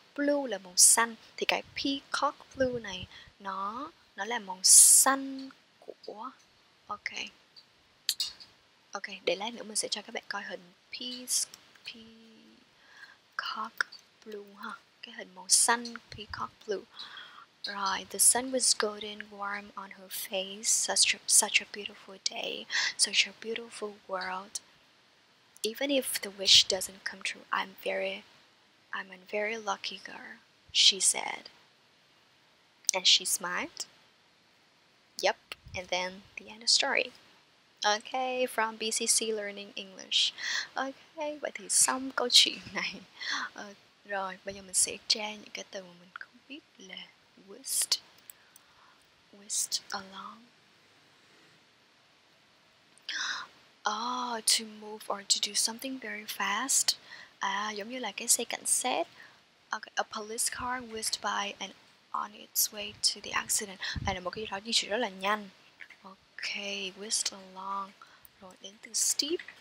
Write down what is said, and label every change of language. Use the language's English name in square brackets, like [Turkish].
[Vietnamese] Blue là màu xanh. Thì cái peacock blue này nó là màu xanh của, okay, Okay, để lát nữa mình sẽ cho các bạn coi hình peacock blue ha. Cái hình màu xanh peacock blue. [English] Right, the sun was golden warm on her face. Such a beautiful day. Such a beautiful world. Even if the wish doesn't come true, I'm a very lucky girl, she said. And she smiled. Yep, and then the end of story. Okay, from BCC Learning English. [Vietnamese] Okay, vậy thì xong câu chuyện này. Rồi, bây giờ mình sẽ tra những cái từ mà mình không biết là whizzed along. [English] Oh, to move or to do something very fast. [Vietnamese] Ah, giống như là cái xe cảnh sát. [English] Okay, a police car whizzed by and on its way to the accident. [Vietnamese] Đây là một cái gì đó di chuyển rất là nhanh. Okay, whizzed along. Rồi đến từ steep.